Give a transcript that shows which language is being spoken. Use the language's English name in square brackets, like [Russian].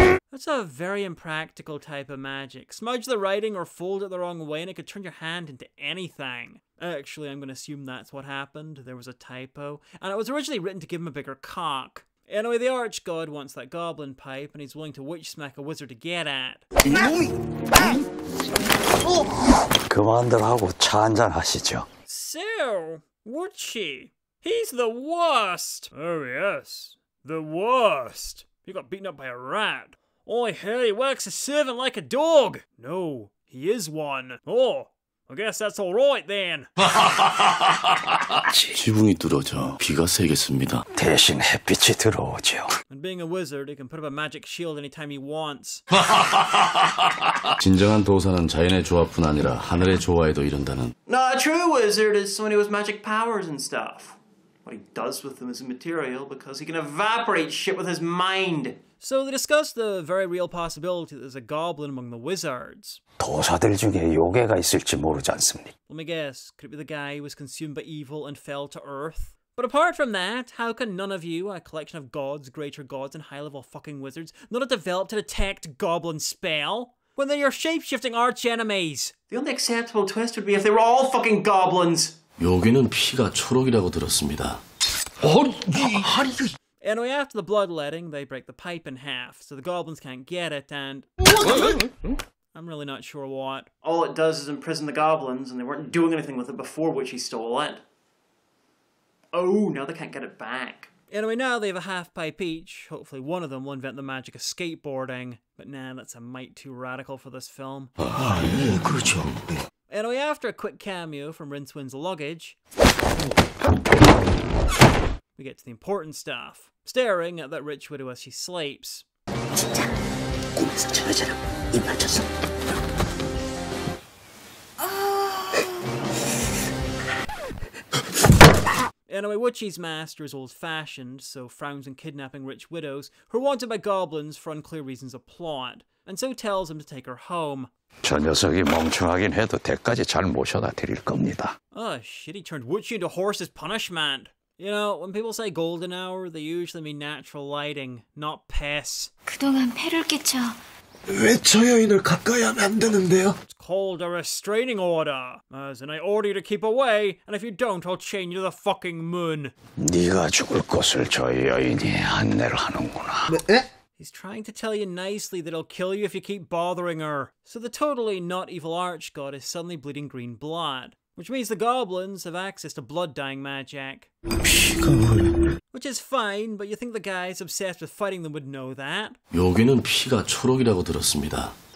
[English] That's a very impractical type of magic. Smudge the writing or fold it the wrong way and it could turn your hand into anything. Actually, I'm going to assume that's what happened. There was a typo. And it was originally written to give him a bigger cock. Anyway, the arch god wants that goblin pipe, and he's willing to witch smack a wizard to get at. [Korean] 그만들 하고 차 한잔 하시죠. [English] So, Woochie, he's the worst. Oh yes, the worst. He got beaten up by a rat. Oh, I heard he works a servant like a dog. No, he is one. Oh, I guess that's all right then. [Korean] 지붕이 뚫어져 비가 세겠습니다. 대신 햇빛이 들어오죠. [English] And being a wizard, he can put up a magic shield anytime he wants. [Korean] 진정한 도사는 자연의 조화뿐 아니라 하늘의 조화에도 이른다는. [English] Now, a true wizard is someone who has magic powers and stuff. What he does with them is immaterial because he can evaporate shit with his mind. So they discuss the very real possibility that there's a goblin among the wizards. [Korean] 도사들 중에 요괴가 있을지 모르지 않습니까? [English] Let me guess, could it be the guy who was consumed by evil and fell to earth? But apart from that, how can none of you, a collection of gods, greater gods, and high-level fucking wizards, not have developed to detect goblin spell? When they're your shape-shifting arch-enemies! The only acceptable twist would be if they were all fucking goblins! [Korean] 요괴는 피가 초록이라고 들었습니다. [English] Anyway, after the bloodletting, they break the pipe in half, so the goblins can't get it, and... I'm really not sure what. All it does is imprison the goblins, and they weren't doing anything with it before which he stole it. Oh, now they can't get it back. Anyway, now they have a half pipe each. Hopefully one of them will invent the magic of skateboarding. But nah, that's a mite too radical for this film. Anyway, after a quick cameo from Rincewind's luggage... We get to the important stuff. Staring at that rich widow as she sleeps. Anyway, Woochie's master is old-fashioned, so frowns on kidnapping rich widows, who are wanted by goblins for unclear reasons of plot, and so tells him to take her home. [Korean] 저 녀석이 멍청하긴 해도 댁까지 잘 모셔다 드릴 겁니다. [English] Oh shit, he turned Woochie into horse's punishment. You know, when people say golden hour, they usually mean natural lighting, not piss. [Korean] 그동안 폐를 끼쳐... 왜 저 여인을 가까이 하면 안 되는데요? [English] It's called a restraining order. As in, I order you to keep away, and if you don't, I'll chain you to the fucking moon. [Korean] 네가 죽을 곳을 저 여인이 안내를 하는구나. 네? [English] He's trying to tell you nicely that he'll kill you if you keep bothering her. So the totally not evil arch god is suddenly bleeding green blood. Which means the goblins have access to blood-dyeing magic. Which is fine, but you think the guys obsessed with fighting them would know that? [Korean] 여기는 피가 초록이라고 들었습니다.